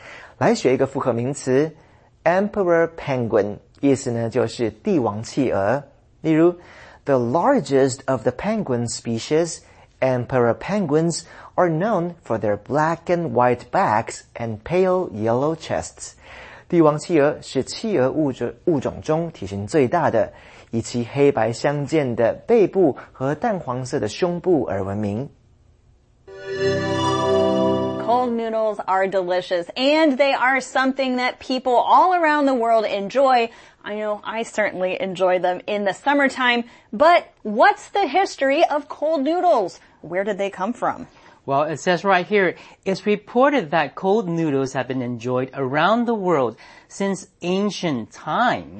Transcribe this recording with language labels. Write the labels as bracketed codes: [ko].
[zh] 现任日本天皇是其家族中首位赴海外留学的继承人。来学一个复合名词, emperor penguin, 意思呢就是帝王企鹅。例如, [en] the largest of the penguin species, emperor penguins, are known for their black and white backs and pale yellow chests. [zh] 帝王企鹅是企鹅物种中体型最大的, 以其黑白相间的背部和淡黄色的胸部而闻名。 [en] Cold noodles are delicious, and they are something that people all around the world enjoy. I know I certainly enjoy them in the summertime, but what's the history of cold noodles? Where did they come from? Well, it says right here, it's reported that cold noodles have been enjoyed around the world since ancient times.